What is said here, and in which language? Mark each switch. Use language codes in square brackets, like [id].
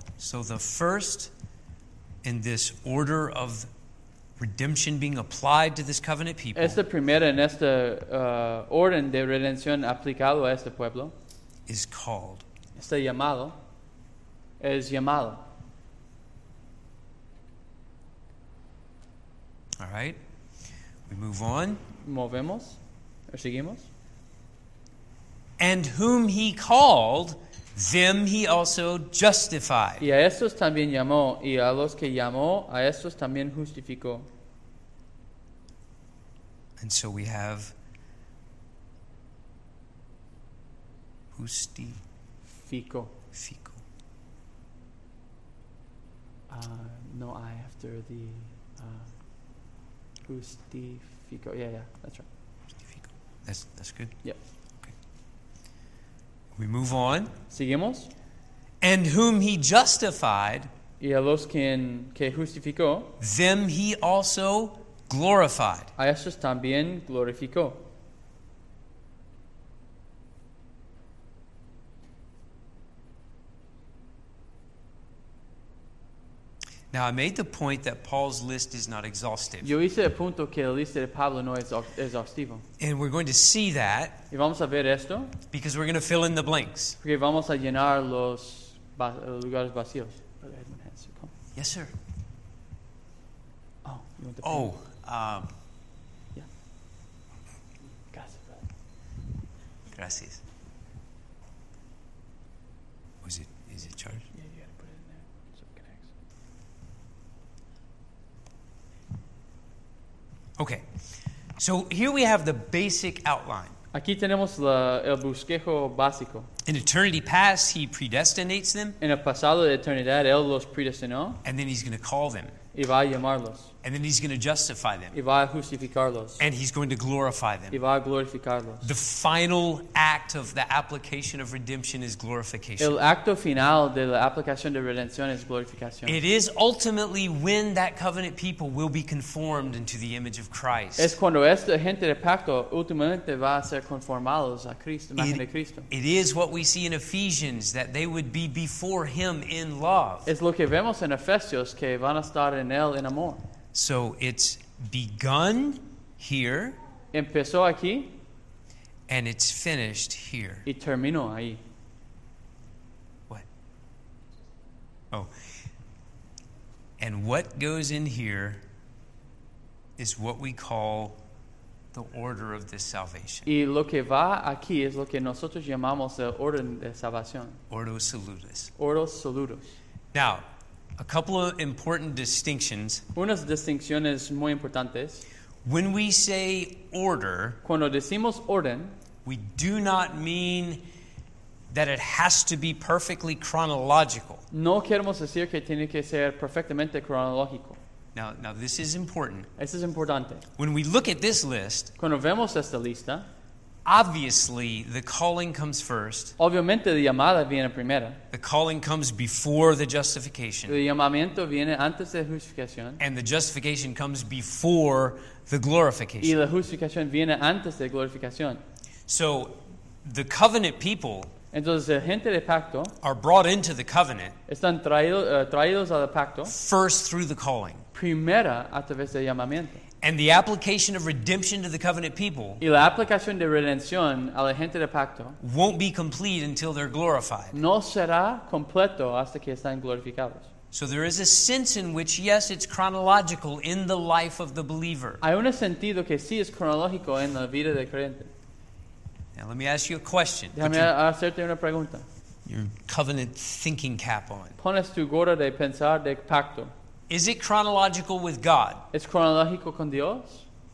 [en] So the first in this order of redemption being applied to this covenant people, [es] esta primera en esta orden de redención aplicado a este pueblo, [en] is called. [es] Está llamado. Es llamado. [en] All right. We move on. [es] Movemos. ¿O seguimos? [en] And whom he called, them he also justified. [es] Y a estos también llamó, y a los que llamó, a estos también justificó. [en] And so we have [es] justifico. Fico. [en] No, I after the justifico. Yeah, that's right. Justifico. That's good. Yep. We move on. [es] Seguimos. [en] And whom he justified, [es] y a los quien, que justificó, [en] them he also glorified. [es] A estos también glorificó. [en] Now I made the point that Paul's list is not exhaustive. [es] Yo hice el punto que la lista de Pablo no es exhaustivo. [en] And we're going to see that. [es] Y vamos a ver esto. [en] Because we're going to fill in the blanks. [es] Porque vamos a llenar los lugares vacíos. [en] Yes, sir. Oh, you want the pen? Oh. [es] Gracias. [en] Is it charged? Okay, so here we have the basic outline. [es] Aquí tenemos el bosquejo básico. [en] In eternity past, he predestinates them. [es] En el pasado de eternidad, él los predestinó. [en] And then he's going to call them. [es] Y va a llamarlos. [en] And then he's going to justify them. [es] Y va a justificarlos. [en] And he's going to glorify them. [es] Y va a glorificarlos. [en] The final act of the application of redemption is glorification. [es] El acto final de la aplicación de redención es glorificación. [en] It is ultimately when that covenant people will be conformed into the image of Christ. [es] Es cuando esta gente de pacto últimamente va a ser conformados a Cristo, imagen de Cristo. [en] It is what we see in Ephesians, that they would be before him in love. [es] Es lo que vemos en Efesios, que van a estar en él en amor. [en] So it's begun here. [es] Empezó aquí. [en] And it's finished here. [es] Y terminó ahí. [en] What? Oh. And what goes in here is what we call the order of this salvation. [es] Y lo que va aquí es lo que nosotros llamamos el orden de salvación. [la] Ordo salutis. Ordo salutis. [en] Now, a couple of important distinctions. [es] Unas distinciones muy importantes. [en] When we say order, [es] cuando decimos orden, [en] we do not mean that it has to be perfectly chronological. [es] No queremos decir que tiene que ser perfectamente cronológico. [en] Now this is important. [es] Esto es importante. [en] When we look at this list, [es] cuando vemos esta lista, [en] obviously, the calling comes first. [es] Obviamente, la llamada viene primera. [en] The calling comes before the justification. [es] El llamamiento viene antes de la justificación. [en] And the justification comes before the glorification. [es] Y la justificación viene antes de la glorificación. [en] So, the covenant people, [es] entonces, la gente de pacto, [en] are brought into the covenant, [es] están traídos al pacto, [en] first through the calling, [es] primera a través del llamamiento. [en] And the application of redemption to the covenant people, [es] y la aplicación de redención a la gente de pacto, [en] won't be complete until they're glorified. [es] No será completo hasta que están glorificados. [en] So there is a sense in which, yes, it's chronological in the life of the believer. [es] Hay un sentido que sí es cronológico en la vida del creyente. [en] Now let me ask you a question. [es] Déjame hacerte una pregunta. [en] Your covenant thinking cap on. [es] Pones tu gorra de pensar de pacto. [en] Is it chronological with God? [es] ¿Es cronológico con Dios?